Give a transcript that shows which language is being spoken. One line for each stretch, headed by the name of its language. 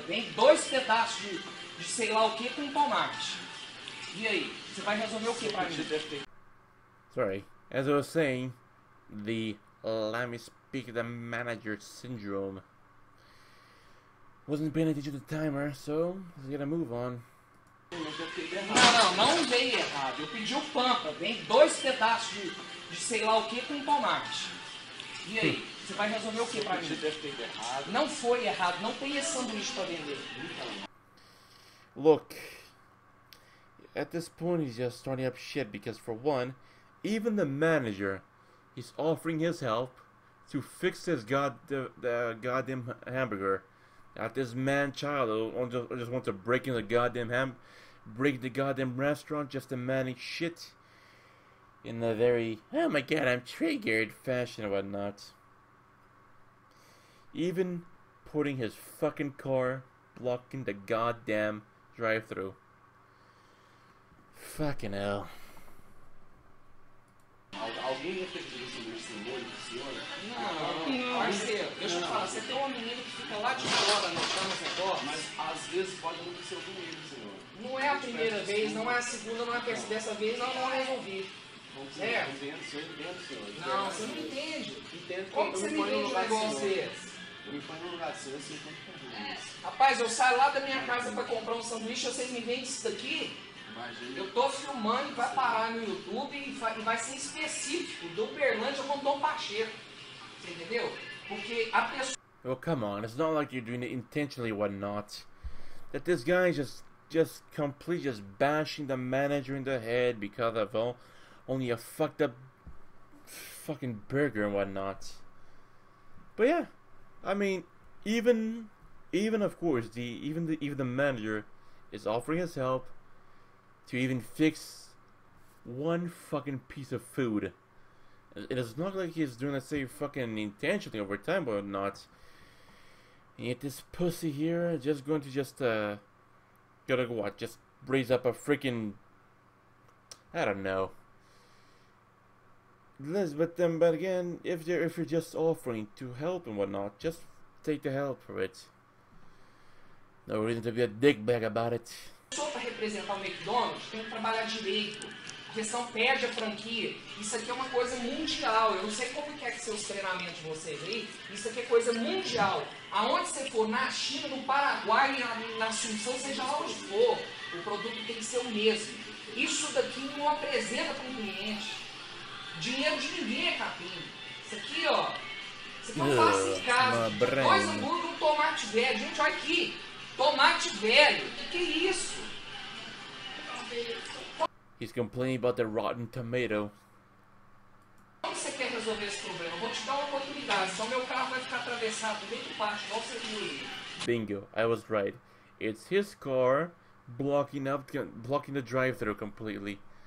Portuguese: Vem dois pedaços de sei lá o que com tomate. E aí? Você vai resolver o que pra mim?
English: Sorry. As I was saying, the let me speak the manager syndrome. Wasn't paying attention to the timer, so let's get a move on.
Portuguese: Não veio errado. Eu pedi o pampa. Vem dois pedaços de sei lá o que com tomate. E aí? Você vai resolver o que pra mim? Deve ter errado. Não foi errado. Não tem esse sanduíche pra vender.
English: Look. At this point, he's just starting up shit because, for one, even the manager is offering his help to fix his goddamn hamburger. That this man child just wants to break in the goddamn restaurant just to manage shit in a very, oh my god, I'm triggered fashion and whatnot. Even putting his fucking car blocking the goddamn drive thru. Fucking hell.
Portuguese: Alguém ia ter que ver esse molho do senhor? Não. Parceiro, deixa eu falar. Você tem uma menina que fica lá de fora anotando os negócios. Mas às vezes pode acontecer algum erro, senhor. Não é a primeira vez, não é a segunda, não é a terceira. Dessa vez nós vamos resolver. Certo? Senhor. Não, você não entende. Entendo. Como que você me entende o negócio desse? Eu me ponho no lugar seu, eu sei quanto que eu vou. Rapaz, eu saio lá da minha casa pra comprar um sanduíche, vocês me vendem isso daqui? Imagina. Eu tô filmando, vai parar no YouTube e vai ser específico do Uberlândia com Dom Pacheco. Entendeu? Porque a pessoa.
English: Well, come on, it's not like you're doing it intentionally, what not. That this guy is just completely just bashing the manager in the head because of only a fucked up fucking burger and whatnot. But yeah, I mean, of course, the manager is offering his help to even fix one fucking piece of food. It is not like he's doing the same fucking intentionally over time or not. And yet this pussy here is just going to just gotta go what? Just raise up a freaking, I don't know. Liz, but again, if you're just offering to help and whatnot, just take the help for it. No reason to be a dickbag about it.
Portuguese: Para representar o McDonald's, tem que trabalhar direito. Porque senão perde a franquia. Isso aqui é uma coisa mundial. Eu não sei como que é que são os treinamentos de vocês aí. Isso aqui é coisa mundial. Aonde você for, na China, no Paraguai, na Assunção, seja lá onde for, o produto tem que ser o mesmo. Isso daqui não apresenta para um cliente. Dinheiro de ninguém é capim. Isso aqui, ó. Isso aqui é um passe em casa. Uma Dois brenda. hambúrguer e um tomate velho. Gente, olha aqui. Tomate velho, que é isso?
English: He's complaining about the rotten tomato.
Portuguese: Como você quer resolver esse problema? Vou te dar uma oportunidade, só meu carro vai ficar atravessado bem do pátio, igual você viu ele.
English: Bingo, I was right. It's his car blocking the drive-thru completely.